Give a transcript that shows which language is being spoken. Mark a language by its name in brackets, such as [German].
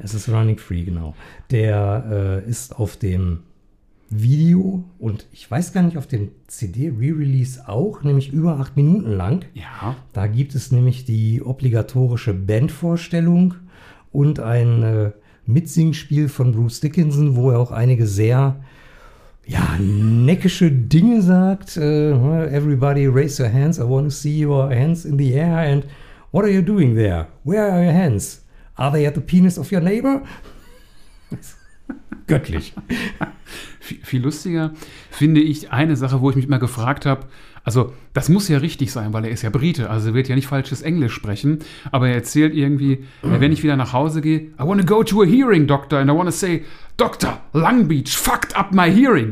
[German] Es ist Running Free, genau. Der ist auf dem Video und ich weiß gar nicht, auf dem CD-Re-Release auch, nämlich über 8 Minuten lang. Ja. Da gibt es nämlich die obligatorische Bandvorstellung und ein Mitsingspiel von Bruce Dickinson, wo er auch einige sehr neckische Dinge sagt. [English] Everybody raise your hands, I want to see your hands in the air and what are you doing there? Where are your hands? Are they at the penis of your neighbor? [German] Göttlich. Viel lustiger finde ich eine Sache, wo ich mich mal gefragt habe, also das muss ja richtig sein, weil er ist ja Brite, also er wird ja nicht falsches Englisch sprechen, aber er erzählt irgendwie, wenn ich wieder nach Hause gehe, [English] I want to go to a hearing doctor and I want to say, Doctor, Long Beach fucked up my hearing.